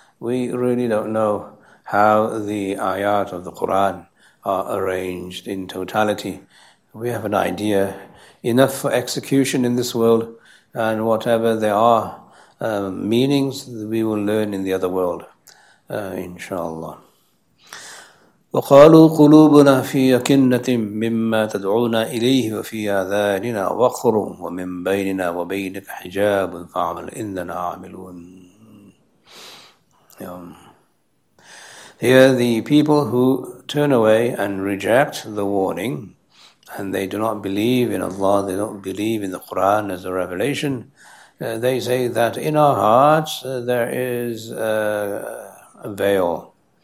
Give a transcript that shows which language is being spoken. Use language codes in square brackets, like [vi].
[en] We really don't know how the ayat of the Qur'an are arranged in totality. We have an idea, enough for execution in this world, and whatever there are meanings, we will learn in the other world, inshallah. [ar] وقالوا قلوبنا في أكنة مما تدعونا إليه وفي آذاننا وقر ومن بيننا وبينك حجاب فاعمل إننا عاملون. [en] Here the people who turn away and reject the warning, and they do not believe in Allah, they don't believe in the Quran as a revelation, they say that in our hearts there is a veil.